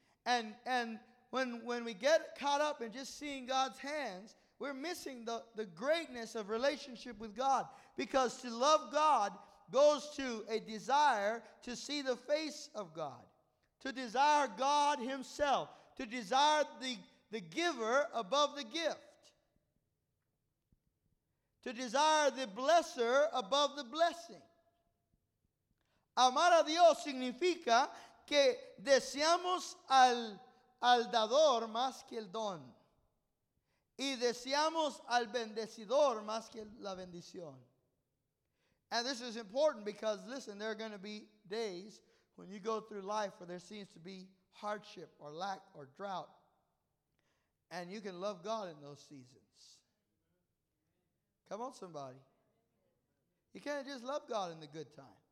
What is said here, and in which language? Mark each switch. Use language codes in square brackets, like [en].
[en] And when we get caught up in just seeing God's hands, we're missing the greatness of relationship with God, because to love God goes to a desire to see the face of God, to desire God himself, to desire the giver above the gift, to desire the blesser above the blessing. [es] Amar a Dios significa que deseamos al dador más que el don. Y deseamos al bendecidor más que la bendición. [en] And this is important because, listen, there are going to be days when you go through life where there seems to be hardship or lack or drought. And you can love God in those seasons. Come on, somebody. You can't just love God in the good times.